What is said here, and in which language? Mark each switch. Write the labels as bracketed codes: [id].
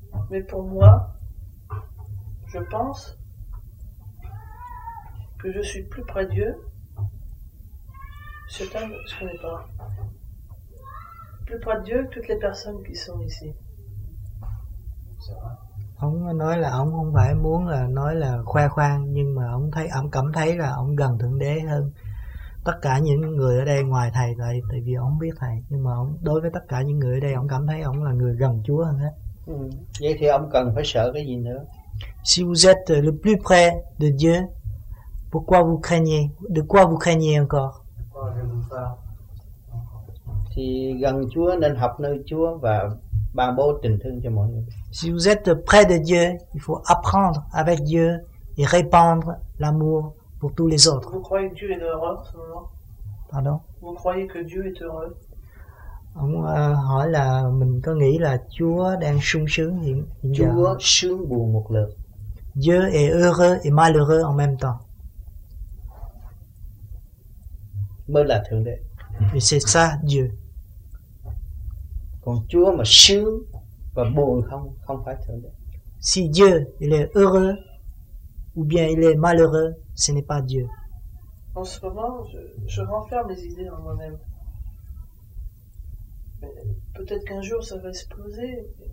[fr] Mais pour moi, je pense que je suis plus près de Dieu, c'est un, ce qu'on n'est pas. plus près de Dieu que toutes les personnes qui sont ici. [vi] Ông nói là ông không phải muốn là nói là khoe khoang, nhưng mà ông thấy, ông cảm thấy là ông gần Thượng Đế hơn tất cả những người ở đây ngoài thầy, tại vì ông không biết thầy, nhưng mà ông, đối với tất cả những người ở đây, ông cảm thấy ông là người gần Chúa hơn hết. Vậy thì ông cần phải sợ cái gì nữa? [fr] Si vous êtes le plus près de Dieu, pourquoi vous craignez? De quoi vous craignez encore? [vi] Thì gần Chúa nên học nơi Chúa và ban bố tình thương cho mọi người. [fr] Si vous êtes près de Dieu, il faut apprendre avec Dieu et répandre l'amour pour tous les autres. Vous croyez que Dieu est heureux en ce moment? Pardon? Vous croyez que Dieu est heureux? [vi] Ông hỏi là mình có nghĩ là Chúa đang sung sướng hiện Chúa giờ. Sướng buồn một lượt. [fr] Dieu est heureux et malheureux en même temps. [vi] Mới là Thượng Đế. [fr] Et c'est ça, Dieu. [vi] Còn Chúa mà sướng và buồn không, không phải Thượng Đế. [fr] Si Dieu, il est heureux ou bien il est malheureux, ce n'est pas Dieu. En ce moment, je renferme les idées en moi-même. Peut-être qu'un jour ça va exploser.